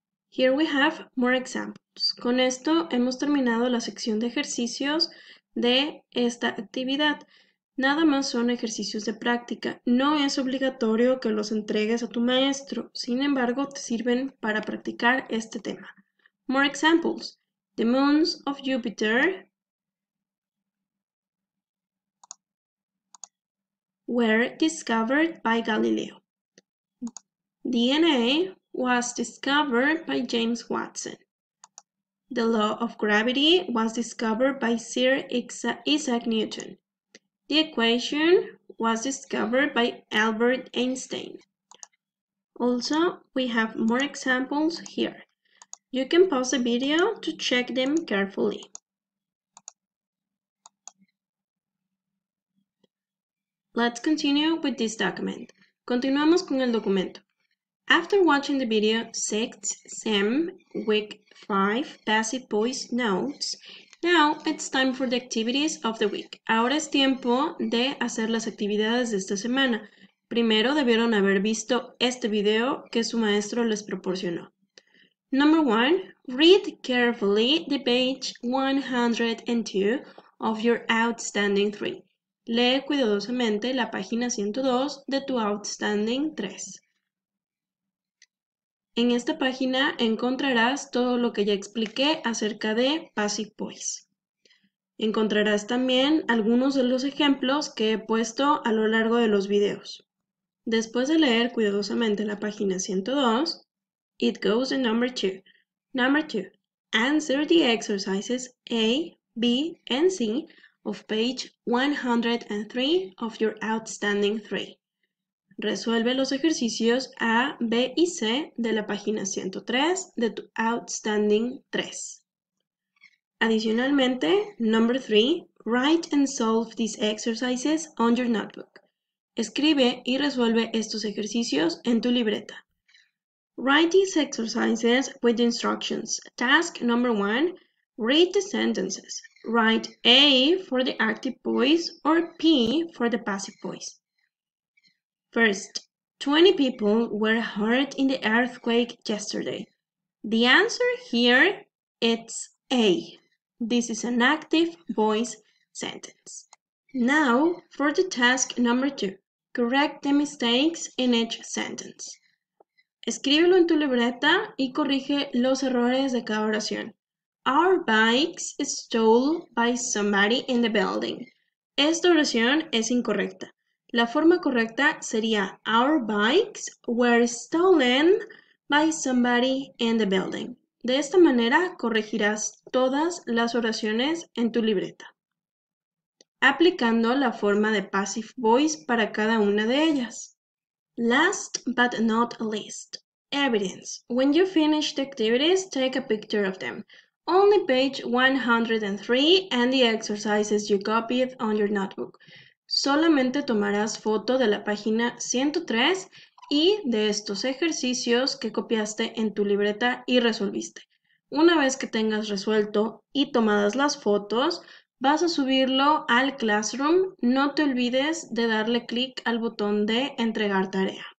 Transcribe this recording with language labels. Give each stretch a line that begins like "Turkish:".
English: Here we have more examples.
Spanish: Con esto hemos terminado la sección de ejercicios de esta actividad. Nada más son ejercicios de práctica. No es obligatorio que los entregues a tu maestro. Sin embargo, te sirven para practicar este tema.
English: More examples. The moons of Jupiter were discovered by Galileo. DNA was discovered by James Watson. The law of gravity was discovered by Sir Isaac Newton. The equation was discovered by Albert Einstein. Also, we have more examples here. You can pause the video to check them carefully. Let's continue with this document.
Spanish: Continuamos con el documento.
English: After watching the video Sixth Sense, week 5, Passive Voice Notes, now it's time for the activities of the week.
Spanish: Ahora es tiempo de hacer las actividades de esta semana. Primero debieron haber visto este video que su maestro les proporcionó.
English: Number 1, read carefully the page 102 of your outstanding 3.
Spanish: Lee cuidadosamente la página 102 de tu outstanding 3. En esta página encontrarás todo lo que ya expliqué acerca de Passive Voice. Encontrarás también algunos de los ejemplos que he puesto a lo largo de los videos. Después de leer cuidadosamente la página 102,
English: it goes to number 2. Number 2. Answer the exercises A, B, and C of page 103 of your outstanding 3.
Spanish: Resuelve los ejercicios A, B y C de la página 103 de tu outstanding 3. Adicionalmente,
English: number 3, write and solve these exercises on your notebook.
Spanish: Escribe y resuelve estos ejercicios en tu libreta.
English: Write these exercises with the instructions. Task number 1, read the sentences. Write A for the active voice or P for the passive voice. First, 20 people were hurt in the earthquake yesterday. The answer here is A. This is an active voice sentence. Now, for the task number 2. Correct the mistakes in each sentence.
Spanish: Escríbelo en tu libreta y corrige los errores de cada oración.
English: Our bikes stole by somebody in the building.
Spanish: Esta oración es incorrecta. La forma correcta sería
English: Our bikes were stolen by somebody in the building.
Spanish: De esta manera corregirás todas las oraciones en tu libreta, aplicando la forma de passive voice para cada una de ellas.
English: Last but not least, evidence. When you finish the activities, take a picture of them. Only page 103 and the exercises you copied on your notebook.
Spanish: Solamente tomarás foto de la página 103 y de estos ejercicios que copiaste en tu libreta y resolviste. Una vez que tengas resuelto y tomadas las fotos, vas a subirlo al Classroom. No te olvides de darle clic al botón de entregar tarea.